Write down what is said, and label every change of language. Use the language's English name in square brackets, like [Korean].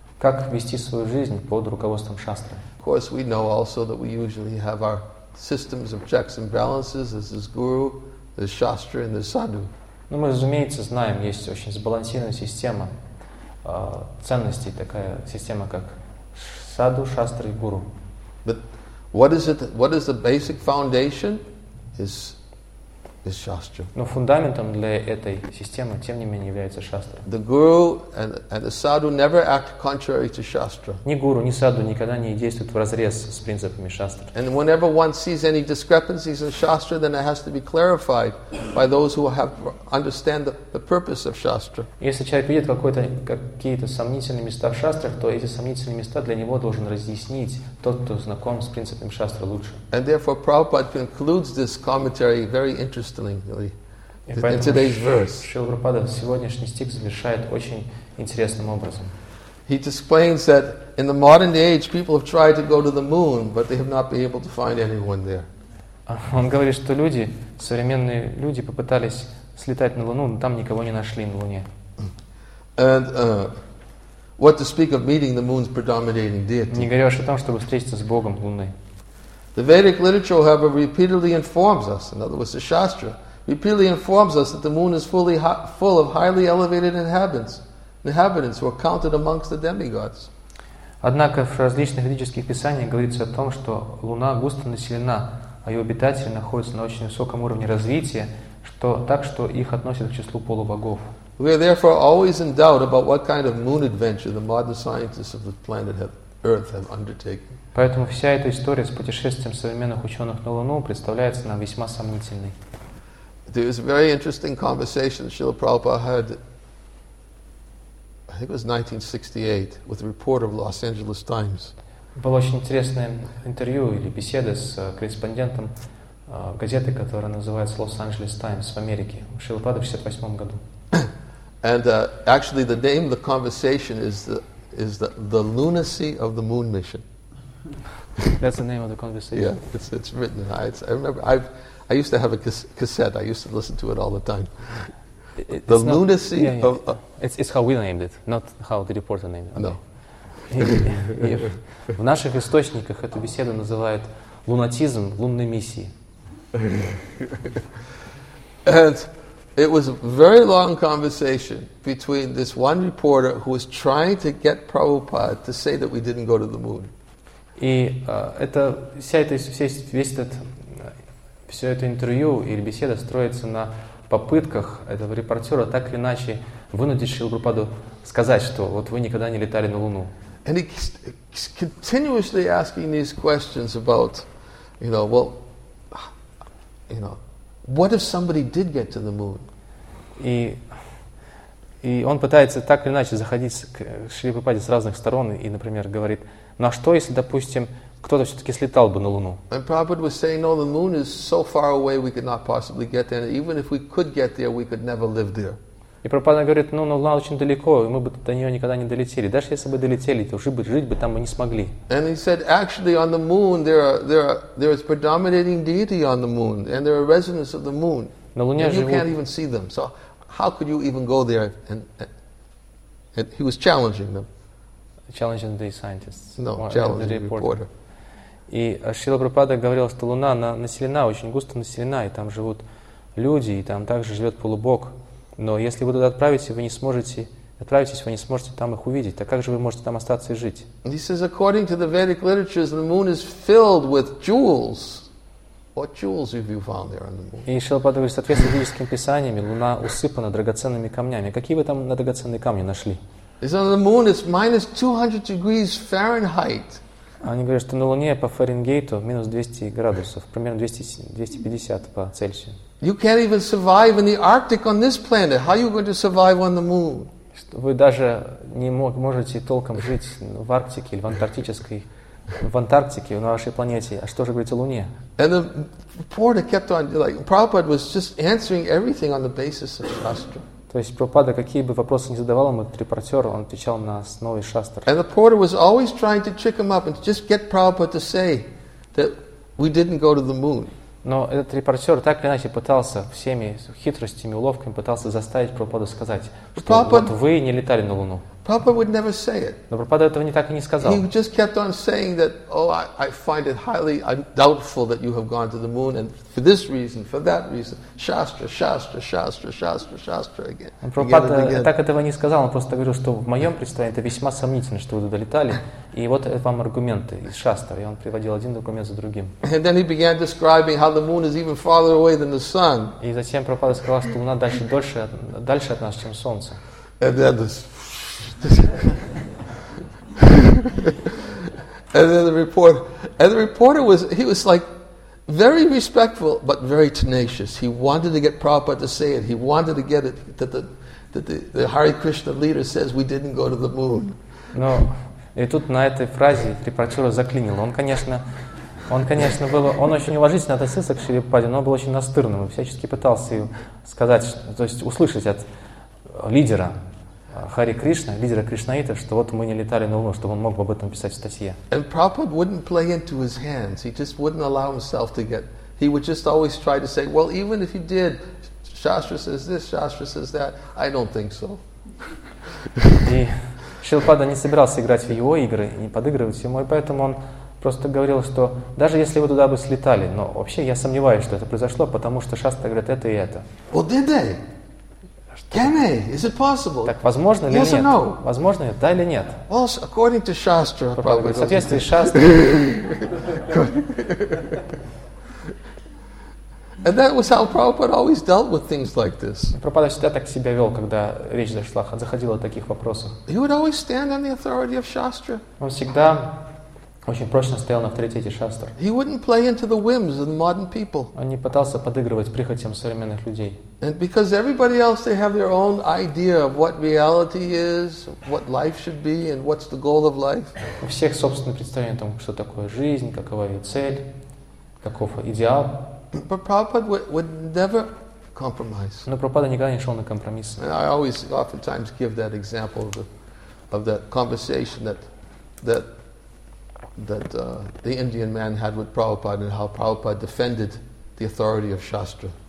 [Russian] Как вести свою жизнь под руководством Шастры. [English] Of course, we know also that we usually have our systems of checks and balances. This is Guru, this is Shastra, and this is Sadhu. [Russian] Ну, мы, разумеется, знаем, есть очень сбалансированная система ценностей, такая система, как Саду, Шастра и Гуру. [English] But what is the basic foundation is Shastra. [Russian] Но фундаментом для этой системы, тем не менее, является Шастра. [English] The Guru and the Sadhu never act contrary to Shastra. [Russian] Ни Гуру, ни Саду никогда не действуют вразрез с принципами Шастры. [English] And whenever one sees any discrepancies in Shastra, then it has to be clarified by those who have understand the purpose of Shastra. [Russian] Если человек видит какие-то сомнительные места в Шастрах, то эти сомнительные места для него должен разъяснить тот, кто знаком с принципами Шастры лучше. [English] And therefore, Prabhupada concludes this commentary very interestingly, in today's verse. [Russian] Шрила Прабхупада сегодняшний стих завершает очень интересным образом. [English] He explains that in the modern age, people have tried to go to the moon, but they have not been able to find anyone there. [Russian] Он говорит, что люди, современные люди, попытались слетать на Луну, но там никого не нашли на Луне. [English] And what to speak of meeting the moon's predominating deity? [Russian] Не говоришь о том, чтобы встретиться с Богом Луны. [English] The Vedic literature, however, repeatedly informs us, in other words, the Shastra, repeatedly informs us that the moon is fully full of highly elevated inhabitants who are counted amongst the demigods. [Russian] Однако в различных ведических писаниях говорится о том, что Луна густо населена, а ее обитатели находятся на очень высоком уровне развития, так что их относят к числу полубогов. [English] We are therefore always in doubt about what kind of moon adventure the modern scientists of the planet Earth have undertaken. [Russian] Поэтому вся эта история с путешествием современных ученых на Луну представляется нам весьма сомнительной. [English] There was a very interesting conversation Srila Prabhupada had, I think it was 1968, with a reporter of Los Angeles Times. [Russian] Было очень интересное интервью или беседа с корреспондентом газеты, которая называется Los Angeles Times в Америке. Шрила Прабхупада в 68 году. [English] And actually the name of the conversation is the lunacy of the moon mission. That's the name of the conversation. Yeah, it's written. I used to have a cassette. I used to listen to it all the time. The it's lunacy not, of it's how we named it, not how the reporter named it. Okay. No. [Russian] В наших источниках эту беседу называют лунатизм лунной миссии. [English] And it was a very long conversation between this one reporter who was trying to get Prabhupada to say that we didn't go to the moon. [Russian] И это вся эта весь этот все это интервью или беседа строится на попытках этого репортера так или иначе вынудить Шрилу Прабхупаду сказать, что вот вы никогда не летали на Луну. [English] And he's continuously asking these questions about, you know, well, you know, what if somebody did get to the moon? [Russian] И он пытается так или иначе заходить к Шри Прабхупаде с разных сторон и, например, говорит, ну а что, если, допустим, кто-то все-таки слетал бы на Луну? [English] And Prabhupada was saying, no, the moon is so far away we could not possibly get there. Even if we could get there, we could never live there. [Russian] И Прабхупада говорит, ну, Луна очень далеко, и мы бы до нее никогда не долетели. Даже если бы долетели, то уже бы жить бы там мы не смогли. [English] And he said, actually, on the moon, there is predominating deity on the moon, and there are residents of the moon. [Russian] На Луне [English] and [Russian] живут. [English] You can't even see them. So how could you even go there? And he was challenging them. Challenging the scientists. No, challenging the reporter. [Russian] И Шрила Прабхупада говорил, что Луна населена, очень густо населена, и там живут люди, и там также живет полубог. Но если вы туда отправитесь, вы не сможете там их увидеть. Так как же вы можете там остаться и жить? [English] He says, according to the Vedic literatures, the moon is filled with jewels. What jewels have you found there on the moon? [Russian] И Шрила Прабхупада говорит, в соответствии с ведическими писаниями, Луна усыпана драгоценными камнями. Какие вы там на драгоценные камни нашли? [English] He says, on the moon, it's minus 200 degrees Fahrenheit. [Russian] Они говорят, что на Луне по Фаренгейту минус 200 градусов, примерно 250 по Цельсию. [English] You can't even survive in the Arctic on this planet. How are you going to survive on the moon? [Russian] Вы даже не можете толком жить в Арктике или в Антарктической, в Антарктике, на вашей планете. А что же говорить о Луне? [English] And the reporter kept on, like, Prabhupada was just answering everything on the basis of Shastra. [Russian] То есть Прабхупада, какие бы вопросы ни задавал ему репортер, он отвечал на основе Шастр. [English] And the reporter was always trying to trick him up and just get Prabhupada to say that we didn't go to the moon. [Russian] Но этот репортер так или иначе пытался всеми хитростями, уловками пытался заставить Прабхупаду сказать, что вот вы не летали на Луну. [English] Prabhupada would never say it. [Russian] Но Прабхупада этого так и не сказал. [English] He just kept on saying that, oh, I find it highly doubtful that you have gone to the moon, and for this reason, for that reason, Shastra, Shastra, Shastra, Shastra, Shastra again. [Russian] Прабхупада так этого не сказал, он просто говорил, что в моем представлении это весьма сомнительно, что вы туда летали, и вот вам аргументы из Шастра, и он приводил один документ за другим. [English] And then he began describing how the moon is even farther away than the sun. [Russian] И затем Прабхупада сказал, что Луна дальше от нас, чем Солнце. [English] And then this. And then the reporter was—he was like very respectful, but very tenacious. He wanted to get Prabhupada to say it. He wanted to get it that the Hare Krishna leader says we didn't go to the moon. [Russian] Но и тут на этой фразе репортера заклинило. Он, конечно, был очень уважительно относился к Шри Прабхупаде, но он был очень настырным и всячески пытался сказать, то есть услышать от лидера. Хари Кришна, лидера Кришнаита, что вот мы не летали на Луну, чтобы он мог бы об этом писать в статье. [English] And Prabhupada wouldn't play into his hands. He just wouldn't allow himself to get. He would just always try to say, well, even if he did, Shastra says this, Shastra says that. I don't think so. [Russian] И Шрила Прабхупада не собирался играть в его игры, не подыгрывать ему, и поэтому он просто говорил, что даже если вы туда бы слетали, но вообще я сомневаюсь, что это произошло, потому что Шастра говорит это и это. [English] Well, did they? Can they? Is it possible? [Russian] Так возможно ли [English] yes [Russian] нет? [English] Or no? [Russian] Возможно ли? Да или нет? [English] Well, according to Shastra, probably. [Russian] В соответствии с Шастрой. [English] And that was how Prabhupada always dealt with things like this. [Russian] Прабхупада всегда так себя вел, когда речь зашла, заходила о таких вопросах. [English] He would always stand on the authority of Shastra. [Russian] Он всегда очень прочно стоял на авторитете Шастр. [English] He wouldn't play into the whims of the modern people. [Russian] Он не пытался подыгрывать прихотям современных людей. [English] And because everybody else, they have their own idea of what reality is, what life should be, and what's the goal of life. [Russian] У всех собственное представление о том, что такое жизнь, какова ее цель, каков идеал. [English] But Prabhupada would never compromise. [Russian] Но Прабхупада никогда не шел на компромисс. [English] And I always, oftentimes, give that example of that conversation that the Indian man had with Prabhupada and how Prabhupada defended the authority of Shastra.